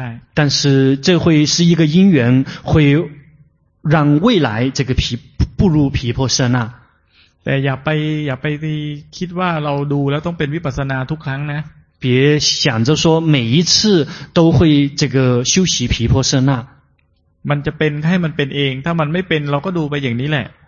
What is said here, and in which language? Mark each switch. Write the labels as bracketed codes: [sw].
[zh] 但是这会是一个因缘会让未来这个步入皮婆舍那 [th] แต่อย่าไปคิดว่าเราดูแล้วต้องเป็นวิปัสสนาทุกครั้งนะ [zh] 别想着说每一次都会这个修习皮婆舍那 [th] มันจะเป็นให้มันเป็นเองถ้ามันไม่เป็นเราก็ดูไปอย่างนี้แหละ